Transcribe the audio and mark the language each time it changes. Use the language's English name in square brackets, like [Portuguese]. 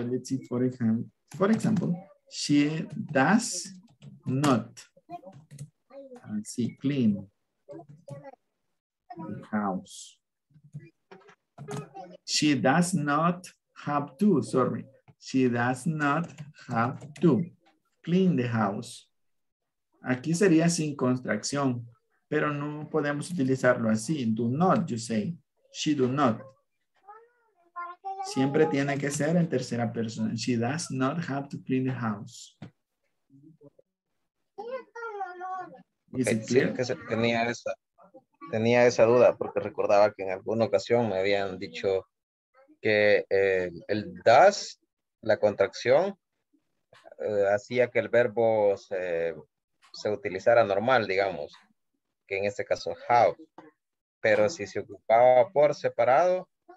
[English] Let's see, for example, she does not clean the house. She does not have to, sorry. She does not have to clean the house. [Spanish] Aquí sería sin contracción, pero no podemos utilizarlo así. [English] Do not, you say. She do not. [Spanish] Siempre tiene que ser en tercera persona. [English] She does not have to clean the house. Is okay, it clear? [Spanish] Sí, que tenía esa duda porque recordaba que en alguna ocasión me habían dicho que el does, la contracción, hacía que el verbo se utilizara normal, digamos, que en este caso have, pero si se ocupaba por separado,